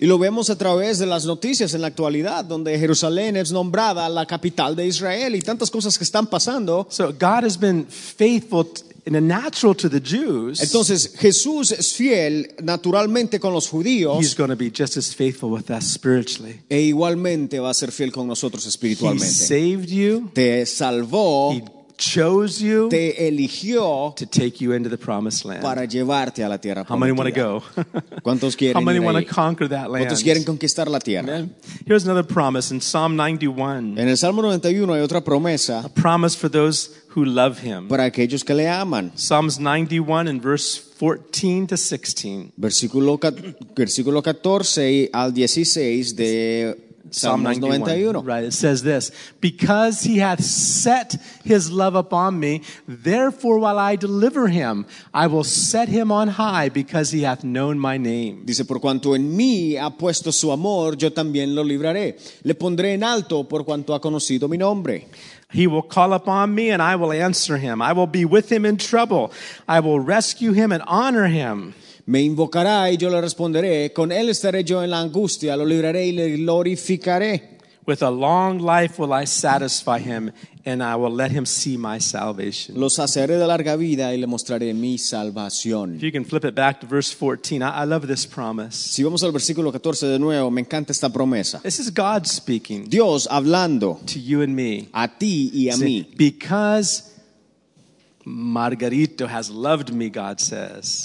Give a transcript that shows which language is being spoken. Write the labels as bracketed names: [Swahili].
[Spanish] Y lo vemos a través de las noticias en la actualidad, donde Jerusalén es nombrada la capital de Israel y tantas cosas que están pasando. [English] So God has been faithful in the natural to the Jews. [Spanish] Entonces, Jesús es fiel naturalmente con los judíos. [English] He's going to be just as faithful with us spiritually. [Spanish] E igualmente va a ser fiel con nosotros espiritualmente. [English] He saved you. [Spanish] Te salvó. [English] Chose you, [Spanish] te eligió, [English] to take you into the promised land. [Spanish] Para llevarte a la tierra prometida. [English] How many want to go? [Spanish] ¿Cuántos quieren ir ahí? [English] How many want to conquer that land? [Spanish] ¿Cuántos quieren conquistar la tierra? [English] Amen. Here's another promise in Psalm 91. [Spanish] En el Salmo 91 hay otra promesa. [English] A promise for those who love him. [Spanish] Para aquellos que le aman. [English] Psalms 91 and verse 14 to 16. [Spanish] Versículo 14 al 16 de [English] Psalm 91. Right, it says this: "Because he hath set his love upon me, therefore while I deliver him, I will set him on high, because he hath known my name." [Spanish] Dice, por cuanto en mí ha puesto su amor, yo también lo libraré. Le pondré en alto por cuanto ha conocido mi nombre. [English] "He will call upon me and I will answer him. I will be with him in trouble. I will rescue him and honor him." [Spanish] Me invocará y yo le responderé. Con él estaré yo en la angustia. Lo libraré y le glorificaré. [English] With a long life will I satisfy him, and I will let him see my salvation. [Spanish] Lo saciaré de larga vida y le mostraré mi salvación. [English] If you can flip it back to verse 14, I love this promise. [Spanish] Si vamos al versículo 14 de nuevo, me encanta esta promesa. [English] This is God speaking. [Spanish] Dios hablando. [English] To you and me. [Spanish] A ti y a mí. [English] Because Margarito has loved me, God says.